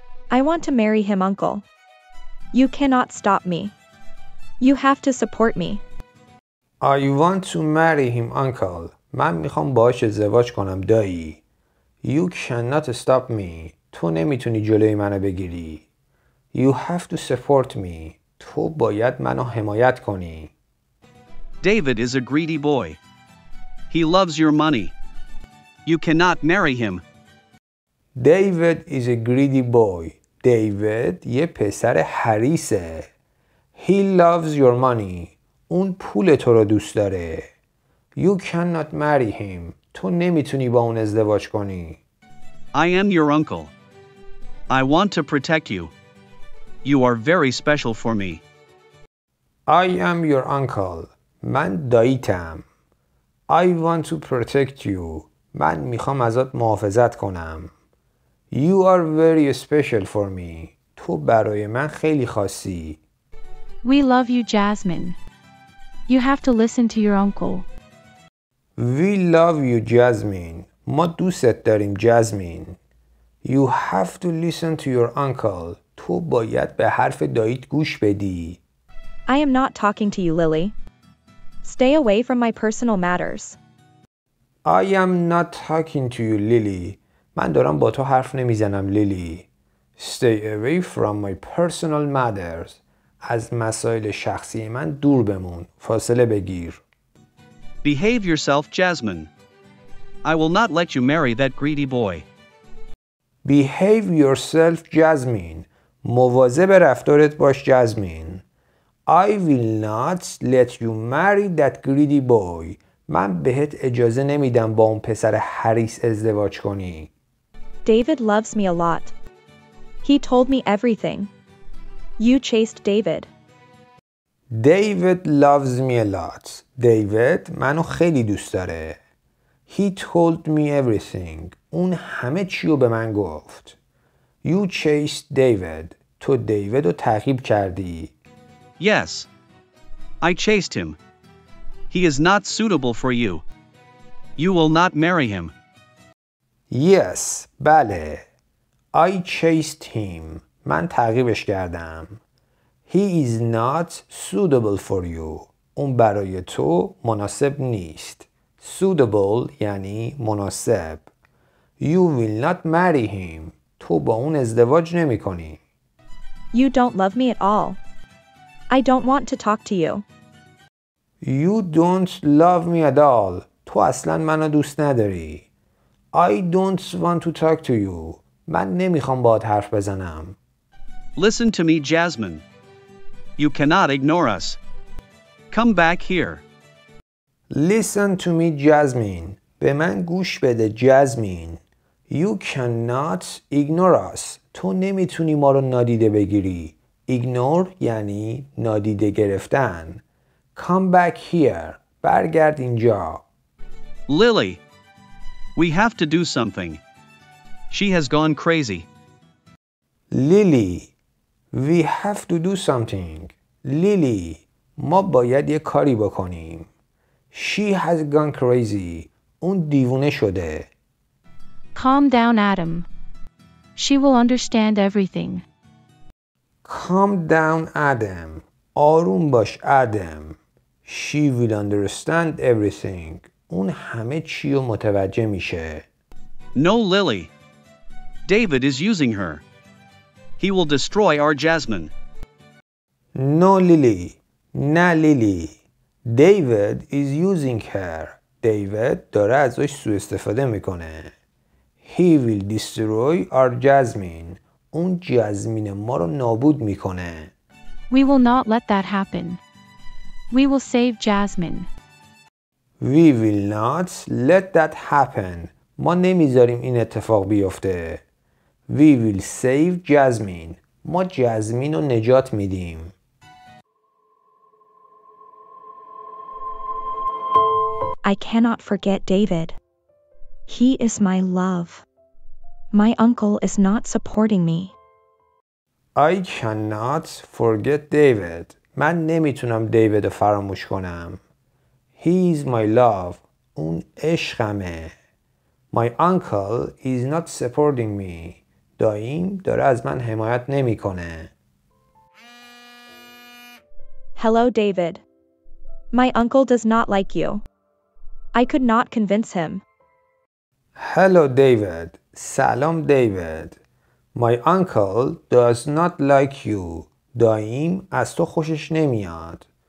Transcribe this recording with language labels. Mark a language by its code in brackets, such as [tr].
[en] I want to marry him, uncle. You cannot stop me. You have to support me. I want to marry him, uncle. [fa] من میخوام باهاش ازدواج کنم دایی. [en] You cannot stop me. [fa] تو نمیتونی جلوی منو بگیری. [en] You have to support me. [fa] تو باید منو حمایت کنی. [en] David is a greedy boy. He loves your money. You cannot marry him. David is a greedy boy. [fa] دیوید یه پسر حریصه. [en] He loves your money. [fa] اون پول تو رو دوست داره. [en] You cannot marry him. [fa] تو نمیتونی با اون ازدواج کنی. [en] I am your uncle. I want to protect you. You are very special for me. I am your uncle. [fa] من داییتم. [en] I want to protect you. [fa] من میخوام ازت محافظت کنم. [en] You are very special for me. [fa] تو برای من خیلی خاصی. [en] We love you, Jasmine. You have to listen to your uncle. We love you, Jasmine. [fa] ما دوستت داریم, [en] Jasmine. You have to listen to your uncle. [fa] تو باید به حرف داییت گوش بدی. [en] I am not talking to you, Lily. Stay away from my personal matters. I am not talking to you, Lily. [fa] من دارم با تو حرف نمیزنم, لیلی. [en] Stay away from my personal matters. [fa] از مسائل شخصی من دور بمون. فاصله بگیر. [en] Behave yourself, Jasmine. I will not let you marry that greedy boy. Behave yourself, Jasmine. [fa] مواظب رفتارت باش, Jasmine. [en] I will not let you marry that greedy boy. [fa] من بهت اجازه نمیدم با اون پسر حریص ازدواج کنی. [en] David loves me a lot. He told me everything. You chased David. David loves me a lot. [fa] David منو خیلی دوست داره. [en] He told me everything. [fa] اون همه چیو به من گفت. [en] You chased David. [fa] تو دیوید رو تعقیب کردی. [en] Yes. I chased him. He is not suitable for you. You will not marry him. Yes, [fa] بله. [en] I chased him. [fa] من تعقیبش کردم. [en] He is not suitable for you. [fa] اون برای تو مناسب نیست. Suitable یعنی مناسب. [en] You will not marry him. [fa] تو با اون ازدواج نمی کنی. [en] You don't love me at all. I don't want to talk to you. You don't love me at all. [fa] تو اصلا منو دوست نداری. [en] I don't want to talk to you. [fa] من نمیخوام باهات حرف بزنم. [en] Listen to me, Jasmine. You cannot ignore us. Come back here. Listen to me, Jasmine. [fa] به من گوش بده, Jasmine. [en] You cannot ignore us. [fa] تو نمیتونی ما رو نادیده بگیری. Ignore یعنی نادیده گرفتن. [en] Come back here. [fa] برگرد اینجا. [en] Lily. We have to do something. She has gone crazy. Lily, we have to do something. [fa] Lily, ما باید یه کاری بکنیم. [en] She has gone crazy. [fa] اون دیوونه شده. [en] Calm down, Adam. She will understand everything. Calm down, Adam. [fa] آروم باش, Adam. [en] She will understand everything. [fa] اون همه چیو متوجه میشه. [en] No, Lily. David is using her. He will destroy our Jasmine. No, Lily. [fa] نه, [en] Lily. David is using her. [fa] دیوید داره ازش سوء استفاده میکنه. [en] He will destroy our jasmine. [fa] اون جزمین ما رو نابود میکنه. [en] We will not let that happen. We will save jasmine. We will not let that happen. [fa] ما نمیذاریم این اتفاق بیفته. [en] We will save jasmine. [fa] ما جزمین رو نجات میدیم. [en] I cannot forget David. He is my love. My uncle is not supporting me. I cannot forget David. [fa] من نمیتونم دیوید رو فراموش کنم. [en] He is my love. [fa] اون عشقمه. [en] My uncle is not supporting me. [fa] داییم داره از من حمایت نمیکنه. [en] Hello David. My uncle does not like you. I could not convince him. Hello David. [fa] سلام دیوید. [en] My uncle does not like you. [fa] داییم از تو خوشش نمیاد.